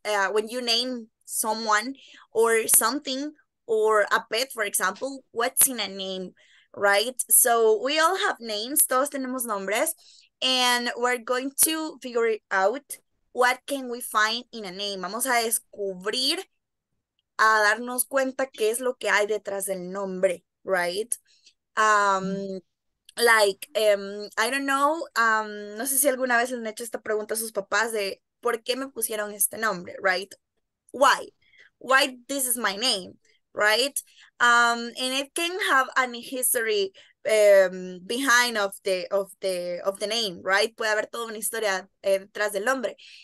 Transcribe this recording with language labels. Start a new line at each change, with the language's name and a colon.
English: when you name someone or something or a pet, for example, what's in a name, right? So we all have names,
Spanish: todos tenemos nombres,
English: and we're going to figure out what can we find in a name.
Spanish: Vamos a descubrir, a darnos cuenta qué es lo que hay detrás del nombre, right?
English: I don't know,
Spanish: no sé si alguna vez han hecho esta pregunta a sus papás de por qué me pusieron este nombre, right? Why?
English: Why this is my name, right? And it can have an history behind of the name, right?
Spanish: Puede haber toda una historia detrás del nombre.